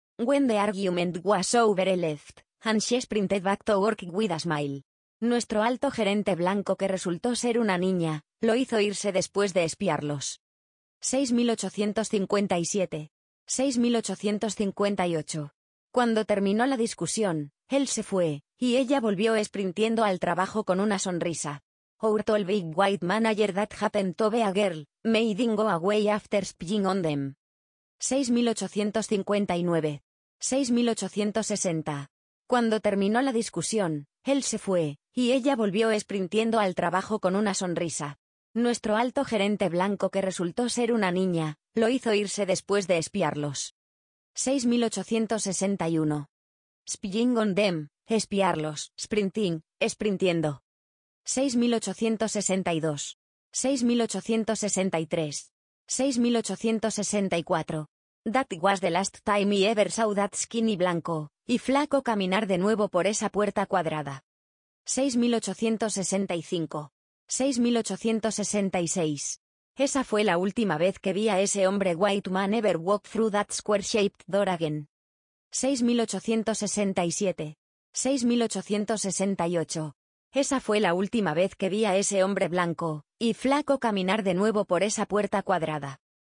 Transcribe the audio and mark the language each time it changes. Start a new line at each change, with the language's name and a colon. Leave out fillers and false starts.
English: When the argument was over, he left, and she sprinted back to work with a smile.
Spanish: Nuestro alto gerente blanco que resultó ser una niña, lo hizo irse después de espiarlos.
English: 6857. 6858.
Spanish: Cuando terminó la discusión, él se fue, y ella volvió sprintiendo al trabajo con una sonrisa.
English: Our tall big white manager that happened to be a girl, made him go away after spying on them. 6859. 6860.
Spanish: Cuando terminó la discusión, él se fue, y ella volvió sprintiendo al trabajo con una sonrisa. Nuestro alto gerente blanco que resultó ser una niña, lo hizo irse después de espiarlos.
English: 6861. Spying on them, espiarlos, sprinting, sprintiendo. 6862. 6863. 6864. That was the last time he ever saw that skinny blanco,
Spanish: y flaco caminar de nuevo por esa puerta cuadrada.
English: 6865. 6866.
Spanish: Esa fue la última vez que vi a ese hombre.
English: White man ever walk through that square-shaped door again. 6867. 6868.
Spanish: Esa fue la última vez que vi a ese hombre blanco y flaco caminar de nuevo por esa puerta cuadrada.